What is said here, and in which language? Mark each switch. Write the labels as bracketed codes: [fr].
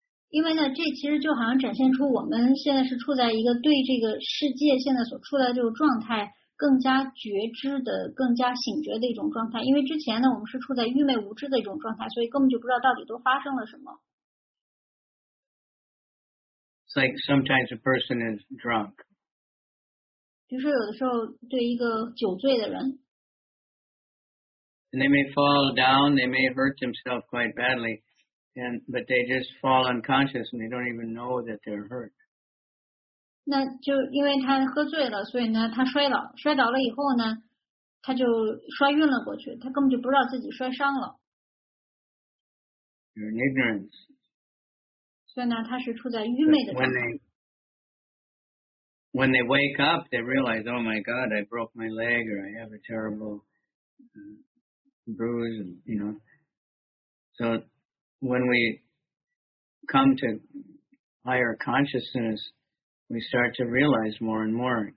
[zh] 因为呢，这其实就好像展现出我们现在是处在一个对这个世界现在所处在这个状态更加觉知的更加醒觉的一种状态，因为之前呢我们是处在愚昧无知的一种状态，所以根本就不知道到底都发生了什么。 [en] It's like sometimes a person is drunk. [zh] 比如说有的时候对一个酒醉的人， [en] And they may fall down, they may hurt themselves quite badly, but they just fall unconscious and they don't even know that they're hurt. [zh] 那就因为他喝醉了，所以呢他摔倒了以后呢他就摔晕了过去，他根本就不知道自己摔伤了。 [en] You're in ignorance. [zh] 所以呢他是处在愚昧的状态。 [en] When they wake up, they realize, oh my God, I broke my leg or I have a terrible bruise, So when we come to higher consciousness,We start to realize more and more.